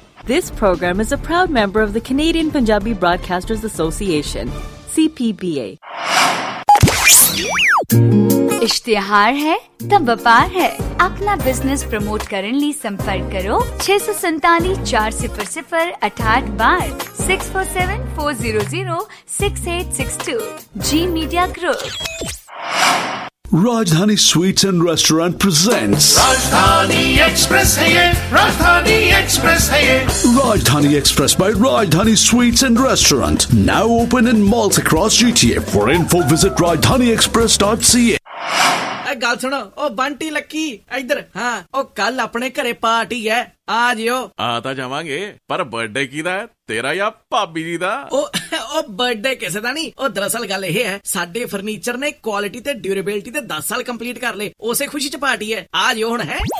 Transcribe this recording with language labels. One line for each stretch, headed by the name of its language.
English: This program is a proud member of the Canadian Punjabi Broadcasters Association, CPBA.
Punjabi: ਇਸ਼ਤਿਹਾਰ ਹੈ ਤਾਂ ਵਪਾਰ ਹੈ ਆਪਣਾ ਬਿਜ਼ਨਸ ਪ੍ਰਮੋਟ ਕਰਨ ਲਈ ਸੰਪਰਕ ਕਰੋ 647-400-6812 647-400-6862 ਜੀ media group
English: Rajdhani Sweets and Restaurant presents
Hindi: Rajdhani Express hai ye Rajdhani Express hai ye
English: Rajdhani Express by Rajdhani Sweets and Restaurant now open in malls across GTA for info visit rajdhaniexpress.ca
Punjabi: ਐ ਗੱਲ ਸੁਣੋ ਉਹ Bunty Lucky ਇਧਰ ਹਾਂ ਉਹ ਕੱਲ ਆਪਣੇ ਘਰੇ ਪਾਰਟੀ ਹੈ ਆ ਜਿਓ ਆ ਤਾਂ ਜਾਵਾਂਗੇ ਪਰ ਬਰਥਡੇ ਕਿਹਦਾ ਹੈ ਤੇਰਾ ਯਾ ਭਾਬੀ ਜੀ ਦਾ ਉਹ ਬਰਥਡੇ ਕਿਸੇ ਦਾ ਨਹੀਂ ਉਹ ਦਰਅਸਲ ਗੱਲ ਇਹ ਹੈ ਸਾਡੇ ਫਰਨੀਚਰ ਨੇ ਕੁਆਲਿਟੀ ਤੇ ਡਿਊਰੇਬਿਲਟੀ ਤੇ 10 ਸਾਲ ਕੰਪਲੀਟ ਕਰ ਲਏ ਉਸੇ ਖੁਸ਼ੀ ਚ ਪਾਰਟੀ ਹੈ ਆ ਜਿਓ ਹੁਣ ਹੈ